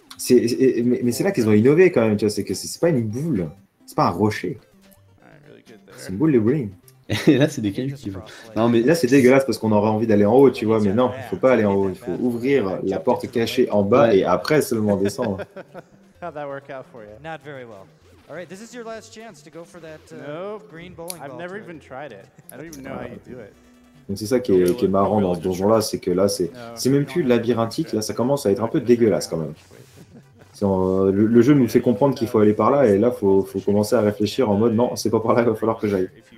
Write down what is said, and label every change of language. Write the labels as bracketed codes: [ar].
[fr] mais c'est là qu'ils ont innové quand même, tu vois, c'est que c'est pas une boule, c'est pas un rocher. C'est une boule de bowling. Et là, c'est des cailloux qui vont. Non, mais là, c'est dégueulasse parce qu'on aurait envie d'aller en haut, tu vois. Mais non, il faut pas aller en haut. Il faut ouvrir la porte cachée en bas et après seulement descendre. [en] How'd that work out for you? Not very well. All right, this is your last chance to go for that green bowling ball. I've never even tried it. I don't even know how you do it. [fr] Donc c'est ça qui est marrant dans ce donjon là, c'est que là, c'est même plus labyrinthique. Là, ça commence à être un peu dégueulasse quand même. Le jeu nous fait comprendre qu'il faut aller par là, et là, faut commencer à réfléchir en mode non, c'est pas par là qu'il va falloir que j'aille.